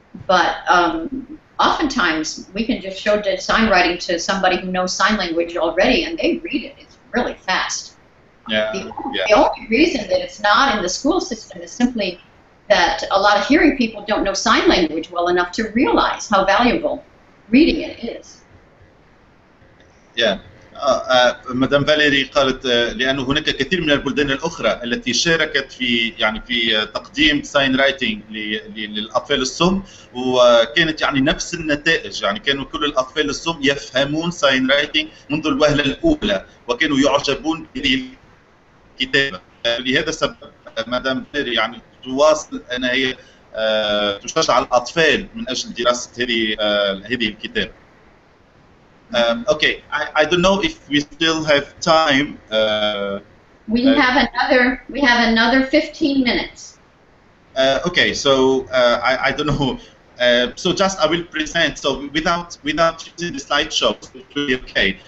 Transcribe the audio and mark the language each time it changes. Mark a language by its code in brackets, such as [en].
[en] But oftentimes, we can just show sign writing to somebody who knows sign language already, and they read it. It's really fast. Yeah. The only reason that it's not in the school system is simply that a lot of hearing people don't know sign language well enough to realize how valuable reading it is. Yeah. [ar] مدام فاليري قالت لأنه هناك كثير من البلدان الأخرى التي شاركت في يعني في تقديم ساين رايتنج للأطفال الصم وكانت يعني نفس النتائج يعني كانوا كل الأطفال الصم يفهمون ساين رايتنج منذ الوهلة الأولى وكانوا يعجبون بالكتابة لهذا السبب مدام فاليري يعني تواصل أن هي تشجع الأطفال من أجل دراسة هذه الكتابة. [en] Okay, I don't know if we still have time. We have another 15 minutes. Okay, so I don't know. So just I will present. So without using the slideshow, it will be okay.